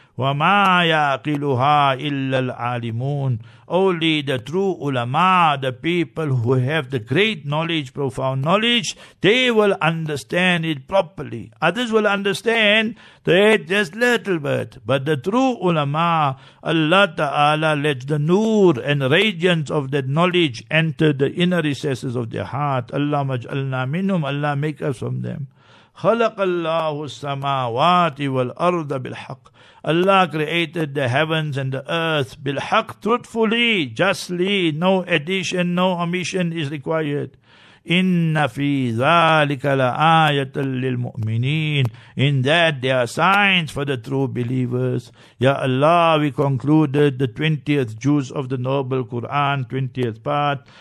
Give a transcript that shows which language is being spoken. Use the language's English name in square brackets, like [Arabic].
[Arabic] وَمَا يَعْقِلُهَا إِلَّا الْعَالِمُونَ [English] Only the true ulama, the people who have the great knowledge, profound knowledge, they will understand it properly. Others will understand that just little bit. But the true ulama, Allah Ta'ala lets the nur and radiance of that knowledge enter the inner recesses of their heart. [Arabic] Allah maj'alna minhum, [English] Allah make us from them. [Arabic] خلق الله السماوات والأرض بالحق. [English] Allah created the heavens and the earth [Arabic] بالحق, [English] truthfully, justly, no addition, no omission is required. [Arabic] إِنَّ فِي ذَٰلِكَ لَآيَةً لِلْمُؤْمِنِينَ. [English] In that there are signs for the true believers. Ya Allah, we concluded the 20th juz of the Noble Quran, 20th part.